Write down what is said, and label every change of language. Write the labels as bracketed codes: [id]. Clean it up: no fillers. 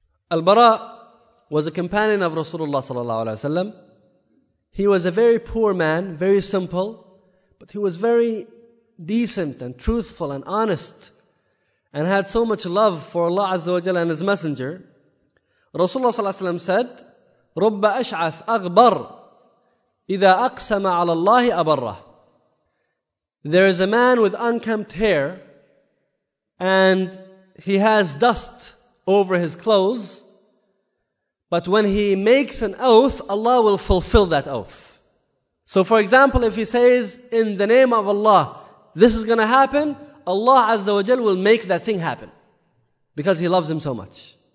[en] Al-Bara was a companion of Rasulullah sallallahu alayhi wa sallam. He was a very poor man, very simple, but he was very decent and truthful and honest and had so much love for Allah Azza wa Jalla and His Messenger. Rasulullah sallallahu alayhi wa sallam said, [ar] رُبَّ أَشْعَثْ أَغْبَرْ إِذَا أَقْسَمَ عَلَى اللَّهِ أَبَرَّهِ. [en] There is a man with unkempt hair and he has dust over his clothes, but when he makes an oath, Allah will fulfill that oath. So for example, if he says, in the name of Allah, this is going to happen, Allah Azza wa Jal will make that thing happen because he loves him so much.